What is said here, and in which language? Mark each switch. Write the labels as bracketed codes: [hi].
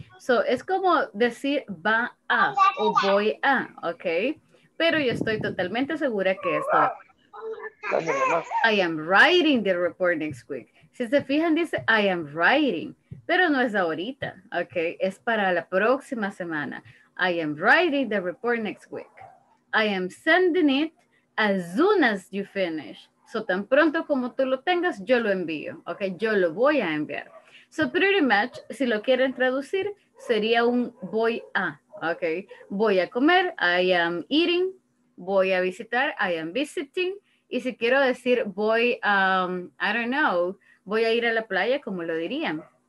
[es] So, es como decir va a o voy a, ¿ok? Pero yo estoy totalmente segura que esto... [en] I am writing the report next week. [es] Si se fijan, dice [en] I am writing, [es] pero no es ahorita, ¿ok? Es para la próxima semana. [en] I am writing the report next week. I am sending it as soon as you finish. [es] So, tan pronto como tú lo tengas, yo lo envío, ¿ok? Yo lo voy a enviar. So, [en] pretty much, [es] si lo quieren traducir, sería un voy a, ¿ok? Voy a comer, [en] I am eating, [es] voy a visitar, [en] I am visiting. [es] Y si quiero decir voy a, [en] I don't know, [es] voy a ir a la playa, ¿cómo lo dirían?